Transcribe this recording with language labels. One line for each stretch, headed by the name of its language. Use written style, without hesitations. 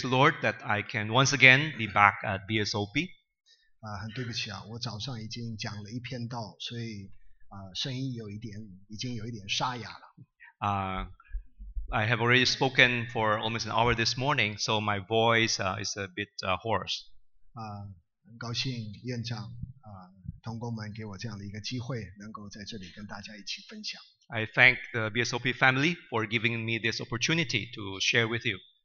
English: the Lord that I can once again be back at BSOP.
Chinese: 很对不起啊，我早上已经讲了一篇道，所以声音已经有一点沙哑了。
English: I have already spoken for almost an hour this morning, so my voice is a bit hoarse.
Chinese: 很高兴院长。同工们给我这样的一个机会，能够在这里跟大家一起分享。
English: I thank the BSOP family for giving me this opportunity to share with you.